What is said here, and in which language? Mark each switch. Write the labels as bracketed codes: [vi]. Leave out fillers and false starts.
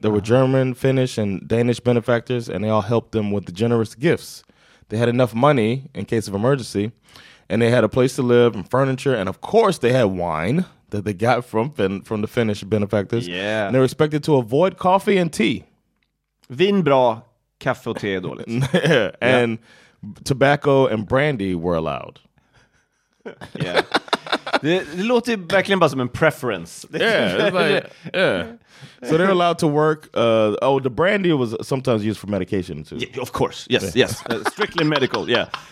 [en] There were German, Finnish, and Danish benefactors, and they all helped them with the generous gifts. They had enough money in case of emergency. And they had a place to live and furniture. And, of course, they had wine that they got from the Finnish benefactors. Yeah. And they were expected to avoid coffee and tea. [sv] Vin bra, kaffe och te är dåligt. [en] And tobacco and brandy were allowed. [sv] Yeah. Det låter verkligen bara som en preference. [en] So they're allowed to work. Oh, the brandy was sometimes used for medication, too. Yeah, of course. Yes, yes. Strictly medical, yeah.